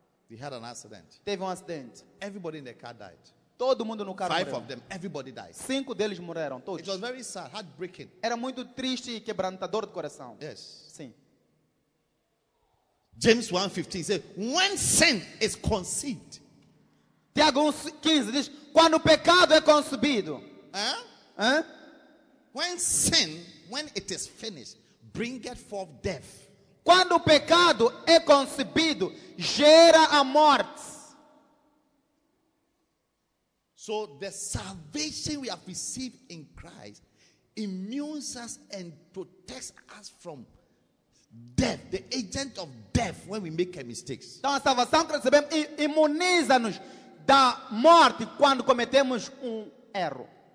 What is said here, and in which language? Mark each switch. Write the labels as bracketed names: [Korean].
[English] They had an accident. [Portuguese] Teve acidente. [English] Everybody in the car died. [Portuguese] Todo mundo no carro morreu. [English] Five of them, everybody died. [Portuguese] Cinco deles morreram, todos. [English] It was very sad, heartbreaking. [Portuguese] Era muito triste e quebrantador de coração. [English] Yes. [Portuguese] Sim. [English] James 1:15 says, when sin is conceived. [Portuguese] Tiago 1:15 diz, quando o pecado é concebido. [English] When sin, when it is finished, bringeth forth death. [Portuguese] Quando o pecado é concebido, gera a morte. [English] So the salvation we have received in Christ immunes us and protects us from death, the agent of death when we make mistakes. [Portuguese] Então a salvação que recebemos imuniza-nos da morte quando cometemos erro.